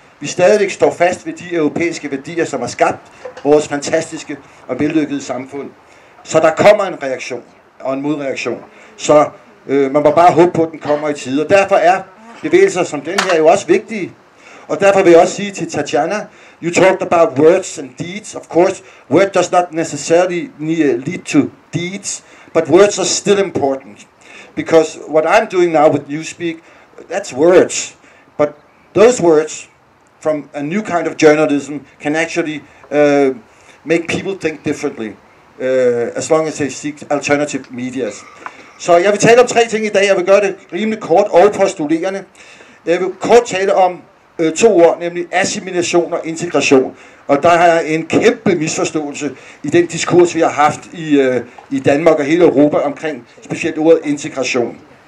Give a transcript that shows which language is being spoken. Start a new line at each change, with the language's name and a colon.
Danish: Vi stadig står fast ved de europæiske værdier, som har skabt vores fantastiske og vellykkede samfund. Så der kommer en reaktion og en modreaktion. Så man må bare håbe på, at den kommer i tide. Og derfor er bevægelser som den her jo også vigtige. Og derfor vil jeg også sige til Tatjana,
English: you talked about words and deeds. Of course, words does not necessarily lead to deeds, but words are still important. Because what I'm doing now with Newspeak, that's words, but those words from a new kind of journalism can actually make people think differently, as long as they seek alternative medias.
Danish: Så jeg vil tale om tre ting i dag, jeg vil gøre det rimelig kort og postulerende. Jeg vil kort tale om to ord, nemlig assimilation og integration. Og der er en kæmpe misforståelse i den diskurs, vi har haft i Danmark og hele Europa omkring specielt ordet integration.